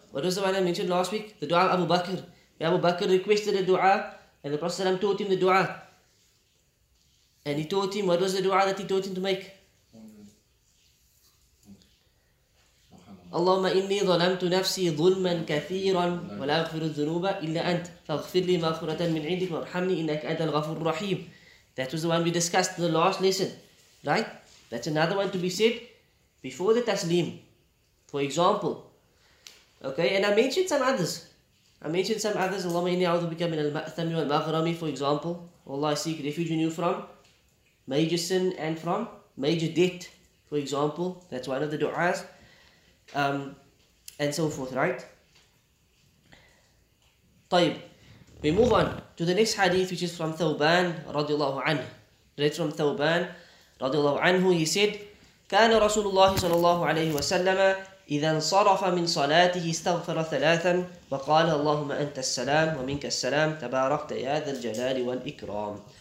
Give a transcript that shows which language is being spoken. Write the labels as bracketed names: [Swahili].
[English] What was the one I mentioned last week? The dua of Abu Bakr. Abu Bakr requested a dua, and the Prophet taught him the dua. And he taught him, what was the dua that he taught him to make? [Arabic] اللهم إني ظلمت نفسي ظلما كثيرا ولا أغفر الذنوب إلا أنت فاغفر لي مغفرة من عندك وارحمني إنك أنت الغفور الرحيم. [English] That was the one we discussed in the last lesson, right? That's another one to be said before the taslim, for example. Okay, and I mentioned some others. [Arabic] اللهم إني أعوذ بك من المأثم والمغرم, [English] for example. Allah, I seek refuge in you from major sin and from major debt, for example. That's one of the du'as. And so forth, right? طيب, we move on to the next hadith, which is from Thawban radiallahu anhu. Right, from Thawban radiallahu anhu, he said, [Arabic] كان رسول الله صلى الله عليه وسلم إذا انصرف من صلاته استغفر ثلاثا وقال اللهم أنت السلام ومنك السلام تباركت يا ذا الجلال والإكرام.